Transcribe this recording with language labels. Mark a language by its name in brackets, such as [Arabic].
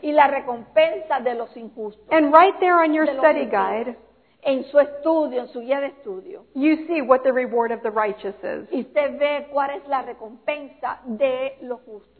[Spanish] Y la recompensa de los injustos. [English] And right there on your study guide. [Spanish] En su estudio, en su guía de estudio. [English] You see what the reward of the righteous is. [Spanish] Y usted ve cuál es la recompensa de los justos.